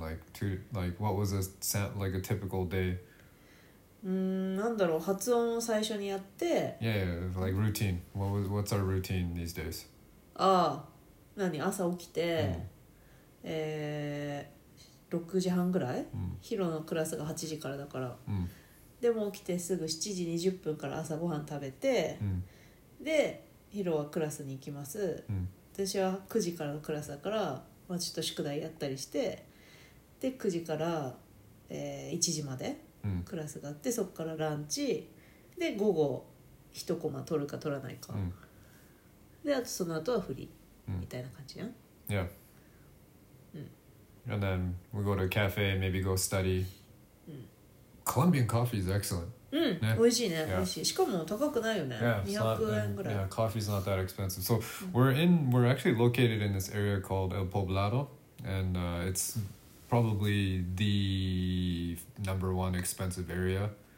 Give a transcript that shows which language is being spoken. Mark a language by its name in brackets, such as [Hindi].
[English] Like two, like what was a like a typical day? [Japanese] なんだろう、発音を最初にやって [English] yeah, like routine. What's our routine these days? [Japanese] ああ、何、朝起きて、6時半ぐらい、ヒロのクラスが8時からだから、でも起きてすぐ7時20分から朝ごはん食べて、でヒロはクラスに行きます。私は9時からのクラスだから、まあ、ちょっと宿題やったりして、で9時から、1時までクラスがあって、そこからランチで午後一コマ取るか取らないか、であとその後はフリー、みたいな感じやん。 [English] Yeah. And then we go to a cafe, maybe go study. Colombian coffee is excellent. [Japanese] おいしいね、おいしい。しかも高くないよね。200円ぐらい。 [English] Yeah, coffee is not that expensive. So we're actually located in this area called El Poblado, and it'sprobably the number one expensive area.